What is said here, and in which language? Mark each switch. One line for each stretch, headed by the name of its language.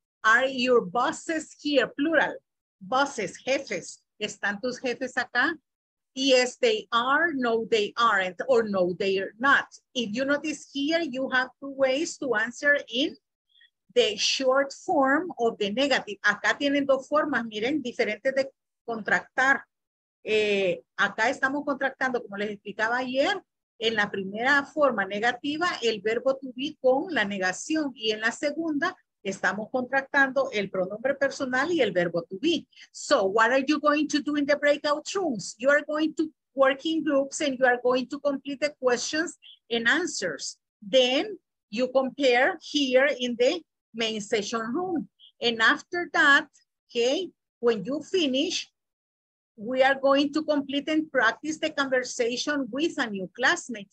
English: Are your bosses here? Plural. Bosses, jefes.
Spanish: ¿Están tus jefes acá?
English: Yes, they are. No, they aren't. Or no, they are not. If you notice here, you have two ways to answer in the short form of the negative.
Spanish: Acá tienen dos formas, miren, diferentes de contractar. Acá estamos contractando, como les explicaba ayer, en la primera forma negativa, el verbo to be con la negación. Y en la segunda, estamos contractando el pronombre personal y el verbo to be.
English: So, what are you going to do in the breakout rooms? You are going to work in groups and you are going to complete the questions and answers. Then, you compare here in the main session room. And after that, okay, when you finish, we are going to complete and practice the conversation with a new classmate.